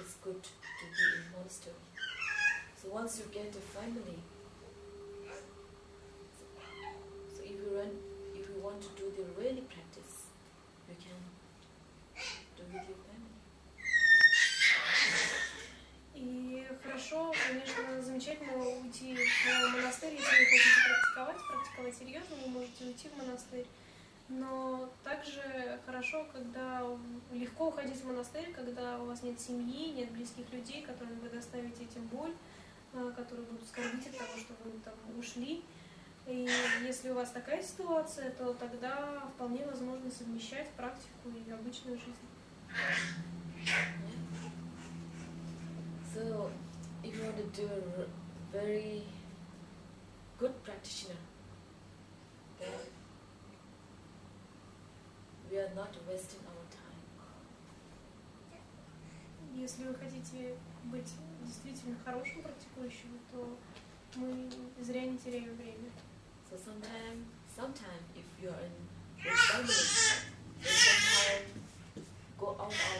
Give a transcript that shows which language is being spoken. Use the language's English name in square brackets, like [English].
[English] It's good to be in monastery. So once you get a family, so if you run, if you want to do the really practice, you can do with your family. [Russian] И хорошо, конечно, замечательно уйти в монастырь, если вы хотите практиковать серьезно, вы можете уйти в монастырь. Но также хорошо, когда легко уходить в монастырь, когда у вас нет семьи, нет близких людей, которым вы доставите этим боль, которые будут скорбить от того, что вы там ушли. И если у вас такая ситуация, то тогда вполне возможно совмещать практику и обычную жизнь. [English] So, if you want to do a very good practitioner, then we are not wasting our time. [Russian] Если вы хотите быть действительно хорошим практикующим, то мы зря не теряем время. [English] So sometimes if you are in good family, then sometimes go out.